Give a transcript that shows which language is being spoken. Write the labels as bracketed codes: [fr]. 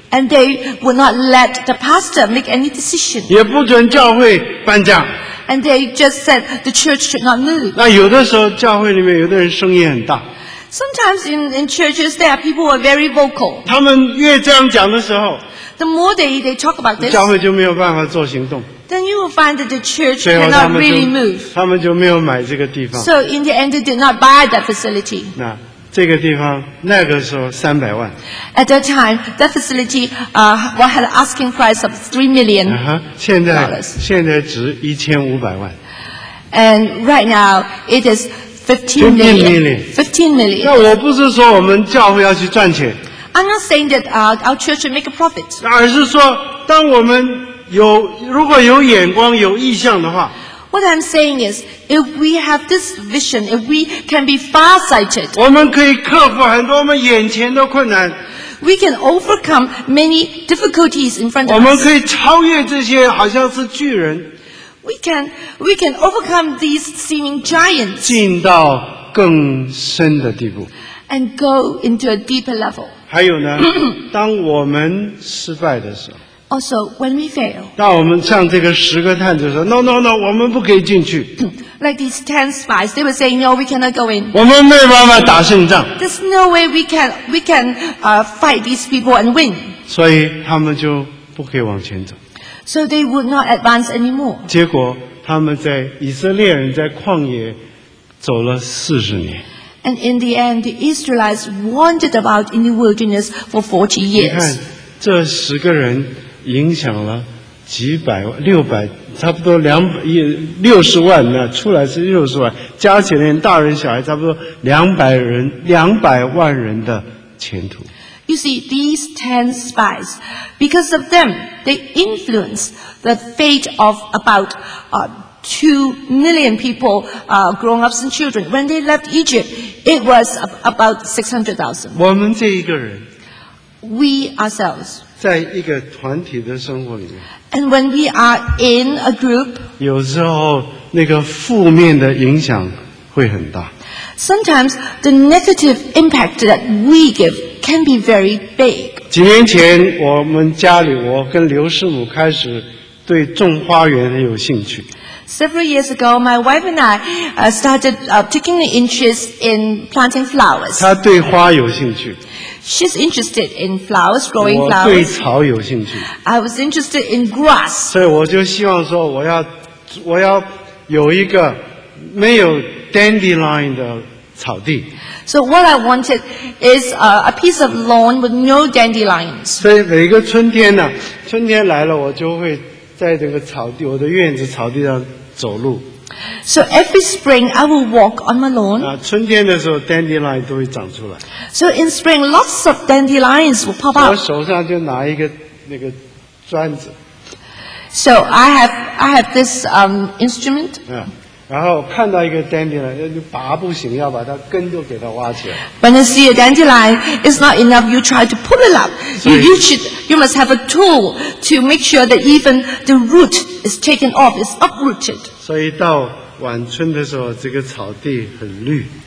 [en] And they would not let the pastor make any decision. [zh] 也不准教会搬家。 [en] And they just said the church should not move. [zh] 那有的时候教会里面有的人声音很大。 [en] Sometimes in churches there are people who are very vocal. [zh] 他们越这样讲的时候， [en] the more they talk about this, [zh] 教会就没有办法做行动。 [en] Then you will find that the church cannot really move. [zh] 他们就没有买这个地方。 [en] So in the end, they did not buy that facility. [zh] 那这个地方那个时候300万。 [en] At that time, that facility, what had asking price of $3 million. [zh] 现在值1500万。 [en] And right now, it is $15 million. $15 million. [zh] 那我不是说我们教会要去赚钱。 [en] I'm not saying that our church should make a profit. [zh] 而是说，当我们有如果有眼光有意向的话， [en] What I'm saying is, if we have this vision, if we can be far-sighted, [zh] 我们可以克服很多我们眼前的困难， [en] We can overcome many difficulties in front of us. [zh] 我们可以超越这些好像是巨人， [en] We can overcome these seeming giants. [zh] 进到更深的地步， [en] And go into a deeper level. [zh] 还有呢，当我们失败的时候， [en] Also, when we fail, [zh] 那我们像这个十个探子说 ， [en] No, no, no, [zh] 我们不可以进去。 [en] Like these ten spies, they were saying, No, we cannot go in. [zh] 我们没办法打胜仗。 [en] There's no way we can fight these people and win. [zh] 所以他们就不可以往前走。 [en] So they would not advance anymore. [zh] 结果他们在以色列人在旷野走了40年。 [en] And in the end, the Israelites wandered about in the wilderness for 40 years. [zh] 你看这十个人影响了几百万六百差不多两百六十万那出来是六十万加起来大人小孩差不多200万人的前途。 [en] You see, these 10 spies, because of them, they influenced the fate of about 2 million people, grown-ups and children. When they left Egypt, it was about 600,000. [zh] 我们这一个人。 [en] We ourselves. [zh] 在一个团体的生活里面。 [en] And when we are in a group, [zh] 有时候那个负面的影响会很大。 [en] Sometimes the negative impact that we give can be very big. [zh] 几年前我们家里我跟刘师母开始对种花园很有兴趣。 [en] Several years ago, my wife and I started taking an interest in planting flowers. [zh] 她对花有兴趣。 [en] She's interested in flowers, growing flowers. [zh] 我对草有兴趣。 [en] I was interested in grass. [zh] 所以我就希望说，我要有一个没有 dandelion 的草地。 [en] So what I wanted is a piece of lawn with no dandelions. [zh] 所以每个春天呢，春天来了，我就会在这个草地，我的院子草地上走路。 [en] So every spring I will walk on my lawn. [zh] 春天的时候 ，dandelion 都会长出来。 [en] So in spring, lots of dandelions will pop up. [zh] 我手上就拿一个那个砖子。 [en] So I have this instrument. [zh] Yeah. 然后看到一个 dandelion, 拔不行，要把它根都给它挖起来。 [en] When you see a dandelion, it's not enough. You try to pull it up. You must have a tool to make sure that even the root is taken off, is uprooted. [zh] 所以到晚春的时候，这个草地很绿。